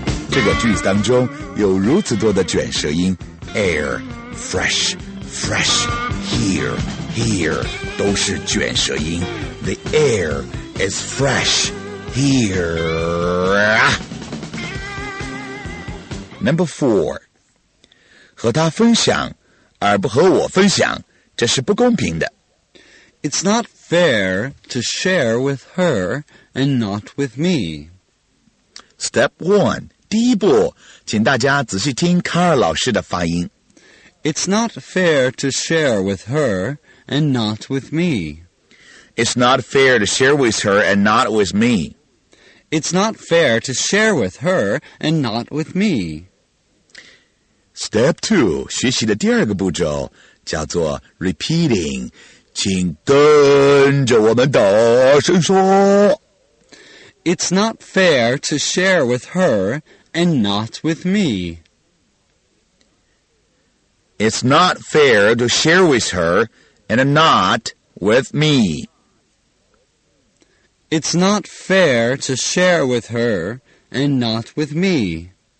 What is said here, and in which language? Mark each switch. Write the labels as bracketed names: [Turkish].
[Chinese] 这个句子当中有如此多的卷舌音 air, fresh, fresh, here, here, 都是卷舌音 [English] The air is fresh here. Number 4. [Chinese] 和他分享而不和我分享，这是不公平的。 [English] It's not fair to share with her and not with me. [Chinese] Step 1, 第一步，请大家仔细听卡尔老师的发音。 [English] It's not fair to share with her and not with me. It's not fair to share with her and not with me. It's not fair to share with her and not with me. [Chinese] Step 2, 学习的第二个步骤叫做 repeating, 请跟着我们大声说。 [English] It's not fair to share with her and not with me. It's not fair to share with her and not with me. It's not fair to share with her and not with me.